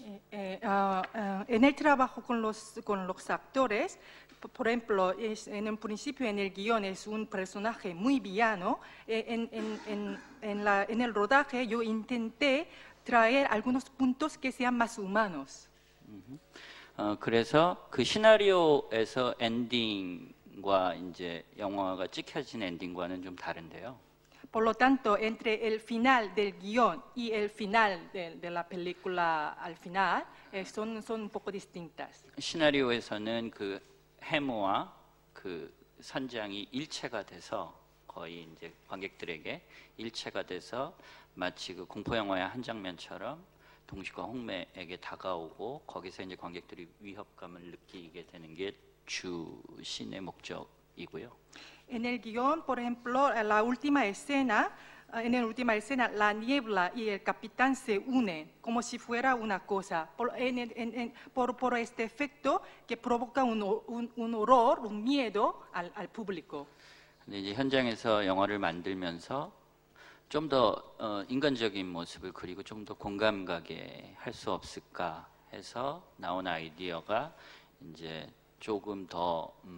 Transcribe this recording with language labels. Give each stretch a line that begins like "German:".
Spanish: en el trabajo con los actores, por ejemplo, en un principio en el guion es un personaje muy villano. En el rodaje yo intenté traer algunos puntos que sean más humanos.
Korean: 그래서 그 시나리오에서 엔딩 과 이제 영화가 찍혀진 엔딩과는 좀 다른데요.
Spanish: Por lo tanto, entre el final del guion y el final de la película al final son un poco distintas.
Korean: 시나리오에서는 그 해머와 그 선장이 일체가 돼서 거의 이제 관객들에게 일체가 돼서 마치 그 공포 영화의 한 장면처럼 동식과 홍매에게 다가오고 거기서 이제 관객들이 위협감을 느끼게 되는 게 주 신의 목적이고요.
Spanish: En el guion, por ejemplo, la última escena, en la última escena, la niebla y el capitán se unen como si fuera una cosa. Por este efecto que provoca un horror, un miedo al público.
Korean: 이제 현장에서 영화를 만들면서 좀 더 인간적인 모습을 그리고 좀 더 공감가게 할 수 없을까 해서 나온 아이디어가 이제 조금 더